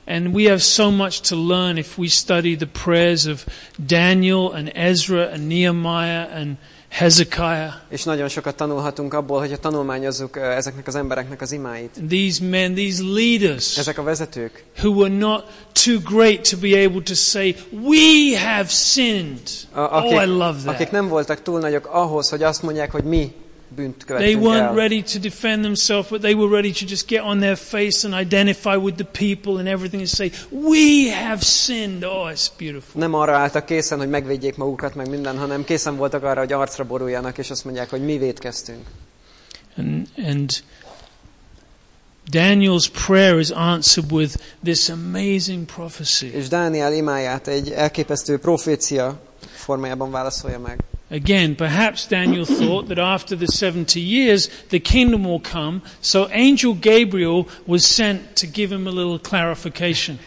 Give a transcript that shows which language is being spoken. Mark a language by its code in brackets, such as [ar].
[en] And we have so much to learn if we study the prayers of Daniel and Ezra and Nehemiah and Hezekiah. [hu] És nagyon sokat tanulhatunk abból, hogyha tanulmányozzuk ezeknek az embereknek az imáit. [en] These men, these leaders. [hu] Ezek a vezetők. [en] Who were not too great to be able to say, we have sinned. [hu] Akik, [en] oh, I love that. [hu] Akik nem voltak túl nagyok ahhoz, hogy azt mondják, hogy mi bűnt követtünk el. [en] They weren't ready to defend themselves, but they were ready to just get on their face and identify with the people and everything and say, we have sinned. Oh, it's beautiful. [hu] Nem arra álltak készen, hogy megvédjék magukat meg minden, hanem készen voltak arra, hogy arcra boruljanak, és azt mondják, hogy mi vétkeztünk. [en] And Daniel's prayer is answered with this amazing prophecy. [hu] És Dániel imáját egy elképesztő profécia formájában válaszolja meg. [en] Again, perhaps Daniel thought that after the 70 years, the kingdom will come, so angel Gabriel was sent to give him a little clarification.